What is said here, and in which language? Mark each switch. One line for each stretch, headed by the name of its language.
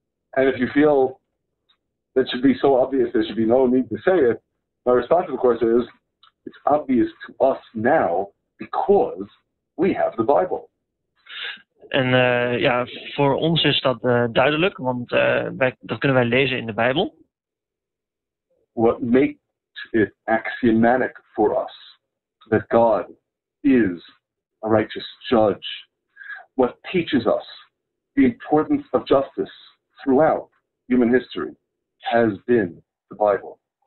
English: And if you feel that should be so obvious, there should be no need to say it, my response, of course, is it's obvious to us now because we have the Bible.
Dutch: En voor ons is dat duidelijk, want dat kunnen wij lezen in de Bijbel.
English: What makes it axiomatic for us that God is a righteous judge? What teaches us the importance of justice throughout human history has been the Bible.